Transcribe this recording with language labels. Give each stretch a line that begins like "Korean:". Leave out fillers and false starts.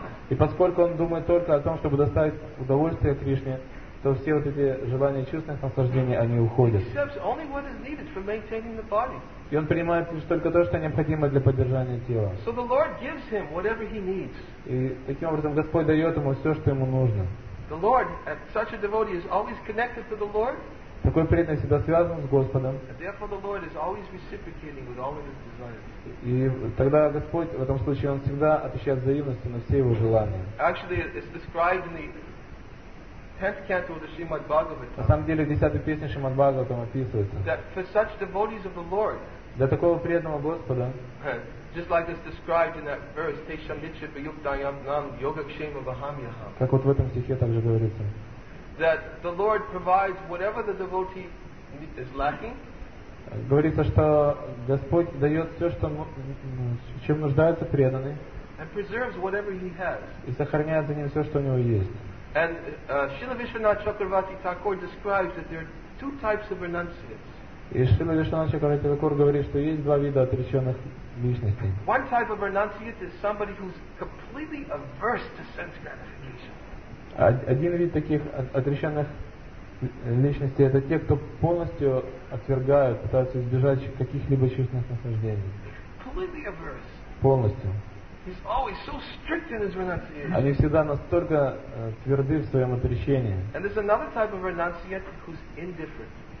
Russian: И поскольку он думает только о том, чтобы доставить удовольствие Кришне, то все вот эти желания чувственных наслаждений, они уходят. И он принимает лишь только то, что необходимо для поддержания тела.
English: So the Lord gives him whatever he needs.
Russian: И таким образом Господь дает ему все, что ему нужно.
English: The Lord, such a devotee is always connected to the Lord.
Russian: Такой преданный всегда связан с Господом.
English: And therefore the Lord is always reciprocating with all of his desires.
Russian: И тогда Господь, в этом случае, он всегда отвечает взаимностью на все его желания.
English: Actually, it's described in the 10th canto of the Srimad Bhagavatam.
Russian: На самом деле, в 10-й песне Шримад Бхагаватам описывается.
English: That for such devotees of the Lord.
Russian: Для такого преданного Господа.
English: Just like it's described in that verse,
Sanskrit: Tesham Nichipa Yukdayam Nam Yogakshema Vahamyaham.
Russian: Как вот в этом стихе также говорится.
English: That the Lord provides whatever the devotee is lacking.
Russian: Говорится, что Господь дает все, что чем нуждается преданный.
English: And preserves whatever he has.
Russian: И сохраняет за ним все, что у него есть.
English: And Srila Vishwanath Chakravarti Thakur describes that there are two types of renunciates.
Russian: И Шрила Вишванат Чакравати Такур говорит, что есть два вида отреченных личностей.
English: One type of renunciate is somebody who's completely averse to sense gratification.
Russian: Один вид таких отреченных личностей — это те, кто полностью отвергают, пытаются избежать каких-либо чувственных наслаждений.
English: Completely averse.
Russian: Полностью.
English: He's always so strict in his renunciation.
Russian: Они всегда настолько тверды в своем отречении.
English: And there's another type of renunciate who's indifferent.